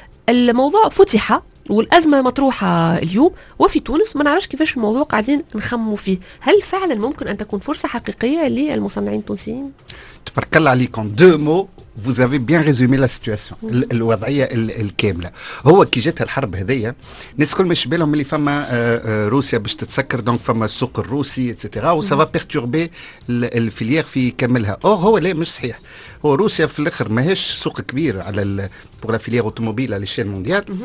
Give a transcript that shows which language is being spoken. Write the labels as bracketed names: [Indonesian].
[Arabic] الموضوع فتح والأزمة مطروحة اليوم وفي تونس ما نعرفش كيفاش الموضوع قاعدين نخموا فيه. هل فعلا ممكن أن تكون فرصة حقيقية للمصنعين التونسيين؟ تبارك الله عليكم. [French] دو مو vous avez bien résumé la situation. [Arabic] الوضعية الكاملة هو كي جات الحرب هذية الناس كل مش بالهم اللي فما روسيا باش تتسكر دونك فما السوق الروسي اتسيتيرا [French] وسافا بيرتوربي الفيليير [Arabic] في كاملها. اوه هو لا مش صحيح. هو روسيا في الاخر ماهيش سوق كبير على [French] بوغ لا فيليير اوتوموبيل [Arabic] على [French] الشين مونديال.